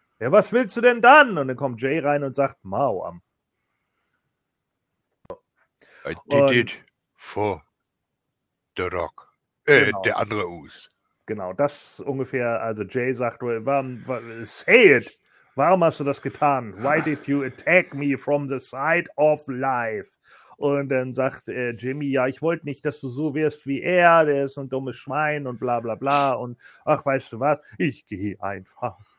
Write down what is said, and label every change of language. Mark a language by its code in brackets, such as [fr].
[de] Ja, was willst du denn dann? Und dann kommt Jay rein und sagt, Mau am. [en] I did [de] Und [en] it for the Rock. [de] genau. Der andere Us. Genau, das ungefähr, also Jay sagt, warum, [en] say it, [de] warum hast du das getan? [en] Why did you attack me from the side of life? [de] Und dann sagt Jimmy, ja, ich wollte nicht, dass du so wirst wie er, der ist ein dummes Schwein und bla bla bla und ach, weißt du was, ich gehe einfach.